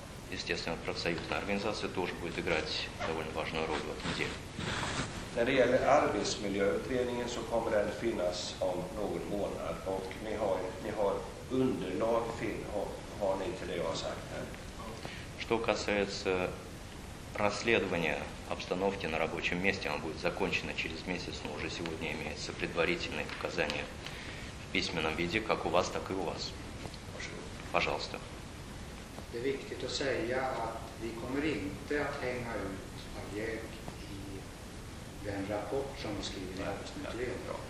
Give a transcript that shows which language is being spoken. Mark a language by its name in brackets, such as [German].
[Russian] Естественно, профсоюзная организация тоже будет играть довольно важную роль в этом деле. [Swedish] När det gäller arbetsmiljöutredningen så kommer den finnas om någon månad och ni har underlag har ni till det jag har sagt. [Russian] Что касается расследования обстановки на рабочем месте, оно будет закончено через месяц, но уже сегодня имеются предварительные показания в письменном виде, как у вас, так и у вас. Пожалуйста. [Swedish] Det är viktigt att säga att vi kommer inte att hänga ut Agiev i den rapport som vi skriver i arbetsmiljön.